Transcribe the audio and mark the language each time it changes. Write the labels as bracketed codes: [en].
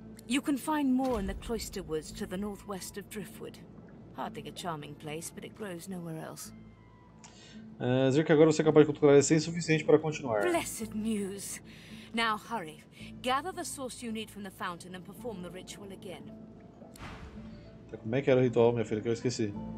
[en] You can find more in the cloister woods to the northwest of Driftwood. Hardly a charming place, but it grows nowhere else. [pt] Dizer que agora você é capaz de encontrar raiz sem suficiente para continuar. [en] Blessed news! Now hurry. Gather the source you need from the fountain and perform the ritual again. [pt] Como é que era o ritual, minha filha? Que eu esqueci.